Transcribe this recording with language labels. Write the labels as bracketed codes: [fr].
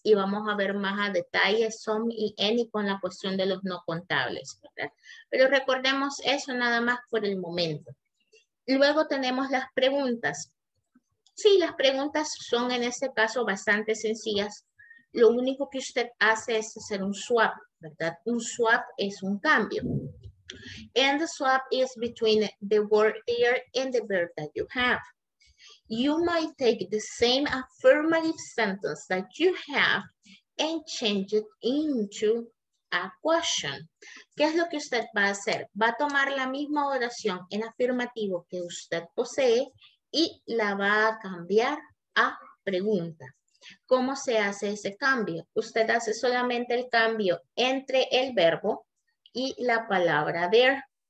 [es] Y vamos a ver más a detalle some y any con la cuestión de los no contables, ¿verdad? Pero recordemos eso nada más por el momento. Luego tenemos las preguntas. Sí, las preguntas son en este caso bastante sencillas. Lo único que usted hace es hacer un swap, ¿verdad? Un swap es un cambio. [en] And the swap is between the word there and the verb that you have. You might take the same affirmative sentence that you have and change it into a question. [es] ¿Qué es lo que usted va a hacer? Va a tomar la misma oración en afirmativo que usted posee y la va a cambiar a pregunta. ¿Cómo se hace ese cambio? Usted hace solamente el cambio entre el verbo y la palabra there.